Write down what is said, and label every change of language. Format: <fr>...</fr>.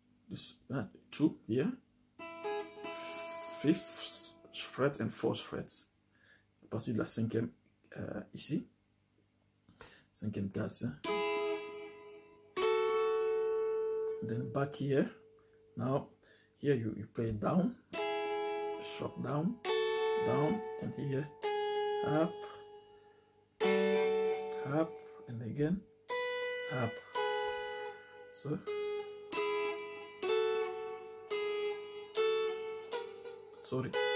<en>This two here, fifth fret and fourth fret.</en> <fr>À partir de la cinquième ici, cinquième case.</fr> <en>Then back here. Now here you play down, sharp down, down and here up, up. And again, up. So, sorry.</en>